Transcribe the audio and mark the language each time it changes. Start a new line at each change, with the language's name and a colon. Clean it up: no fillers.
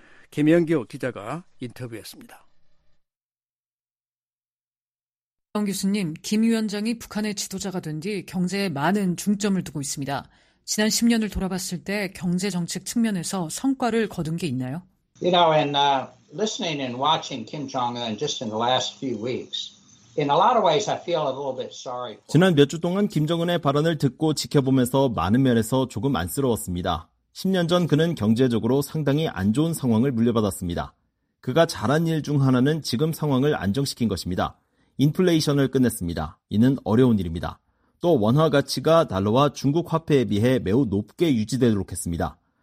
Korean: 김영규 기자가 인터뷰했습니다. 정 교수님, 김 위원장이 북한의 지도자가 된 뒤 경제에 많은 중점을 두고 있습니다. 지난 10년을 돌아봤을 때 경제 정책 측면에서 성과를 거둔 게 있나요?
English: You know, and listening and watching Kim Jong-un just in the last few weeks, in a lot of ways, I feel a little bit sorry.
Korean: 지난 몇 주 동안 김정은의 발언을 듣고 지켜보면서 많은 면에서 조금 안쓰러웠습니다. 10년 전 그는 경제적으로 상당히 안 좋은 상황을 물려받았습니다. 그가 잘한 일 중 하나는 지금 상황을 안정시킨 것입니다. 인플레이션을 끝냈습니다. 이는 어려운 일입니다. 또 원화 가치가 달러와 중국 화폐에 비해 매우 높게 유지되도록 했습니다.